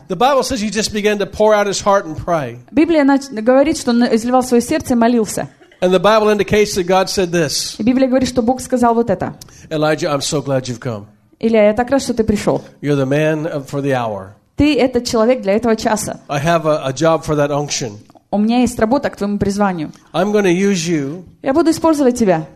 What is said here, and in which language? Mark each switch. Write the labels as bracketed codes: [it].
[en] The Bible says he just began to pour out his heart and pray. [ru] Библия говорит, что он изливал свое сердце и молился. [en] And the Bible indicates that God said this. [ru] И Библия говорит, что Бог сказал вот это. [en] Elijah, I'm so glad you've come. [ru] Илия, я так рад, что ты пришел. [en] You're the man for the hour. [ru] Ты этот человек для этого часа. [en] I have a job for that unction. [ru] У меня есть работа к твоему призванию. [en] I'm going to use you. [ru] Я буду использовать тебя.